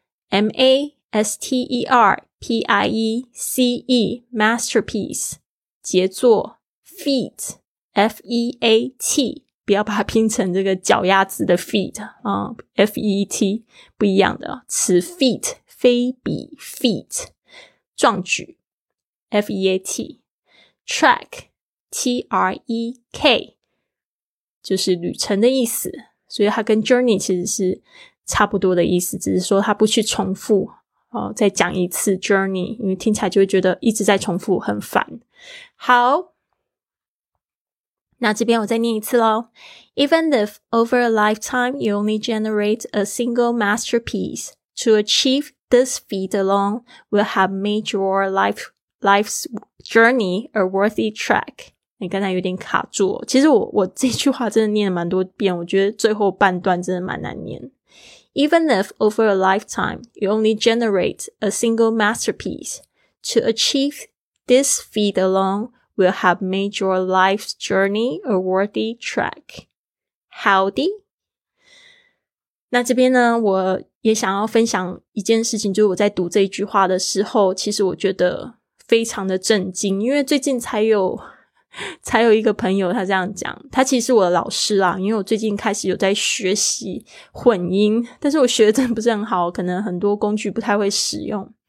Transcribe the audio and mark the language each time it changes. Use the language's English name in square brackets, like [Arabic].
[English] M-A-S-T-E-R-P-I-E-C-E masterpiece 杰作 feat F-E-A-T 不要把它拼成这个脚丫子的 feet 啊 ，F-E-E-T 不一样的词，feet 非比 feet 壮举 ，F-E-A-T，track，T-R-E-K [Chinese] 就是旅程的意思，所以它跟 journey 其实是差不多的意思，只是说它不去重复哦，再讲一次 journey， 因为听起来就会觉得一直在重复很烦。好。那这边我再念一次咯。 [English] Even if over a lifetime you only generate a single masterpiece, to achieve this feat alone will have made your life's journey a worthy trek. [Chinese] 你刚才有点卡住哦。其实我这句话真的念了蛮多遍，我觉得最后半段真的蛮难念。 [English] Even if over a lifetime you only generate a single masterpiece, to achieve this feat alone,will have made your life's journey a worthy trek. [Chinese] 好的，那这边呢我也想要分享一件事情，就是我在读这一句话的时候其实我觉得非常的震惊，因为最近才有一个朋友他这样讲，他其实是我的老师啦，因为我最近开始有在学习混音，但是我学的真的不是很好，可能很多工具不太会使用，